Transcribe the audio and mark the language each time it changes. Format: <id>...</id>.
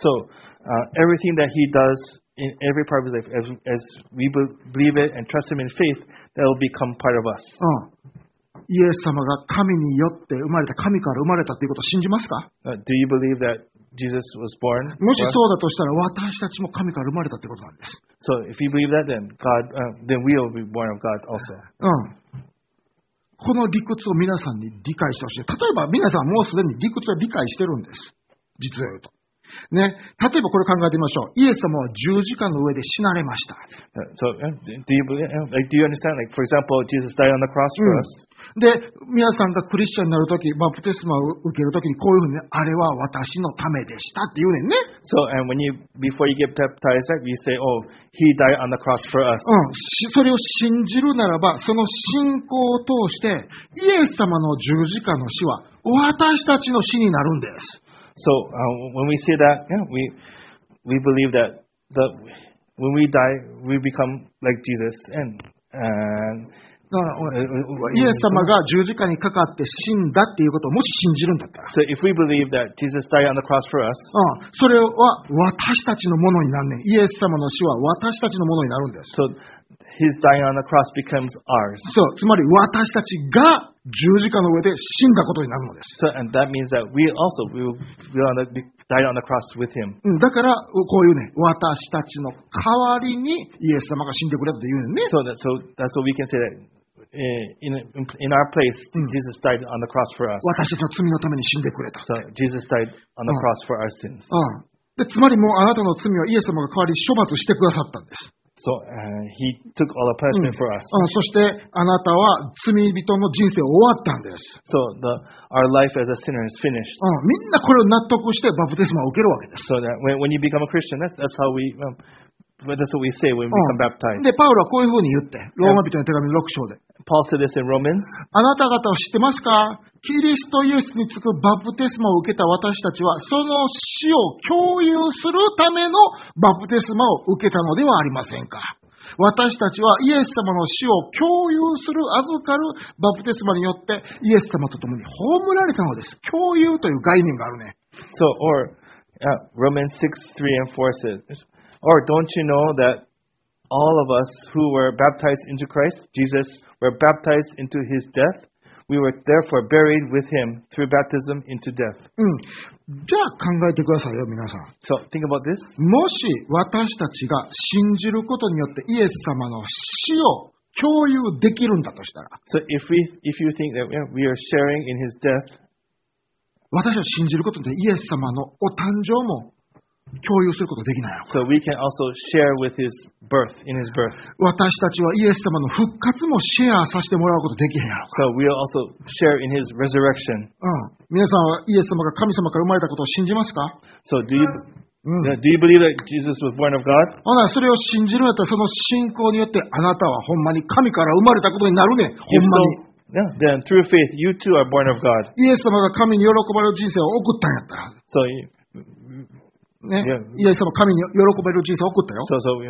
<en>So, everything that he does in every part of his life, as we believe it and trust him in faith, that will become part of us.</en> <ja>イエス様が神によって生まれた、神から生まれたということを信じますか？</ja> <en>Do you believe that Jesus was born?</en> <ja>もしそうだとしたら、私たちも神から生まれたということなんです。</ja> <en>So if you believe that, then God, then we will be born of God also.</en> <ja>この理屈を皆さんに理解してほしい。例えば皆さんもうすでに理屈を理解してるんです。実を言うと。ね、例えばこれ考えてみましょう。イエス様は十字架の上で死なれました。</ja> <en>So, do you understand? Like, for example, Jesus died on the cross for us.、</en> <ja>で、皆さんがクリスチャンになるとき、バプテスマを受けるときに、こういうふうに、あれは私のためでしたって言うねんね。</ja> <en>So, and when you, before you get baptized, you say, oh, he died on the cross for us.、</en> <ja>それを信じるならば、その信仰を通して、イエス様の十字架の死は私たちの死になるんです。</ja> <en>So, when we say that, yeah, we believe that the, when we die, we become like Jesus. And</en> <ja>イエス様が十字架にかかって死んだっていうことをもし信じるんだったら。</ja> <en>So, if we believe that Jesus died on the cross for us,</en> <ja>それは私たちのものになるね。イエス様の死は私たちのものになるんです。</ja> <en>So, his dying on the cross becomes ours.</en> <ja>So, つまり私たちが十字架の上で死んだことになるのです。</ja> <en>So, and that means that we also will die on the cross with him.</en> <ja>だから、こういうね、私たちの代わりにイエス様が死んでくれたというね。</ja> <en>So that's what we can say that in our place, Jesus died on the cross for us.</en> <ja>私たちの罪のために死んでくれた。</ja> <en>So, Jesus died on the cross for our sins.</en> <ja>で、つまりもうあなたの罪はイエス様が代わりに処罰してくださったんです。</ja> <en>So, he took all the punishment for us.</en> <ja>そしてあなたは罪人の人生終わったんです。</ja> <en>So, our life as a sinner is finished.</en> <ja>みんなこれを納得してバプテスマを受けるわけです。</ja> <en>So that when you become a Christian, that's how we, that's what we say when we become baptized.</en> <ja>で、パウロはこういうふうに言って、ローマ人の手紙6章で。</ja> <en>Paul said this in Romans.</en> <ja>あなた方は知ってますか？キリストイエスにつくバプテスマを受けた私たちは、その死を共有するためのバプテスマを受けたのではありませんか。私たちはイエス様の死を共有する、預かるバプテスマによってイエス様と共に葬られたのです。共有という概念があるね。</ja> <en>So, or, Romans 6:3 and 4 says, or don't you know that all of us who were baptized into Christ, Jesus, were baptized into his death? We were therefore buried with him through baptism into death.</en> <ja>じゃあ考えてくださいよ、皆さん。</ja> <en>So, think about this.</en> <ja>もし私たちが信じることによってイエス様の死を共有できるんだとしたら。</ja> <en>So, if you think that we are sharing in his death,</en> <ja>私を信じることでイエス様のお誕生も共有することができないよ。</ja> <en>So, we can also share with his birth, in his birth.</en> <ja>私たちはイエス様の復活もシェアさせてもらうことができへんやろ。</ja> <en>So, we also share in his resurrection.</en> <ja>皆さんはイエス様が神様から生まれたことを信じますか？</ja> <en>So, do you believe that Jesus was born of God?</en> <ja>それを信じるならその信仰によってあなたはほんまに神から生まれたことになるね。ほんまに。</ja> <en>Yeah, then through faith, you too are born of God.</en> <ja>イエス様が神に喜ばれる人生を送ったんやったら。</ja> <en>So,</en> <ja>ね、yeah. イエス様神に喜ばれる人生を送ったよ。</ja>